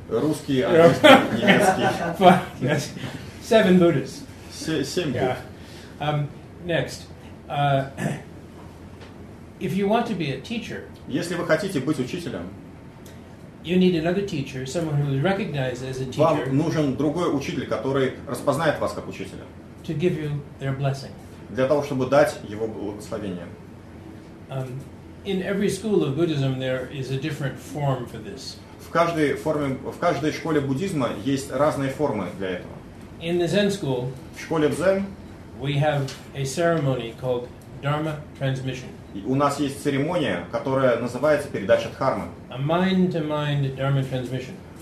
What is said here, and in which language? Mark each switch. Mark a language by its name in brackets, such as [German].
[Russian] Русский, английский, немецкий. [English] Five, yes. Seven Buddhas. [Russian] Семь Будд. [English] Next. If you want to be a teacher, [Russian] если вы хотите быть учителем, [English] you need another teacher, someone who is recognized as a teacher. [Russian] Вам нужен другой учитель, который распознает вас как учителя. [English] To give you their blessing. [Russian] Для того, чтобы дать его благословение. [English] In every school of Buddhism there is a different form for this. [Russian] В каждой школе буддизма есть разные формы для этого. [English] In the Zen school, [Russian] в школе дзен, [English] we have a ceremony called Dharma transmission. [Russian] У нас есть церемония, которая называется передача дхармы. [English] A mind-to-mind dharma transmission.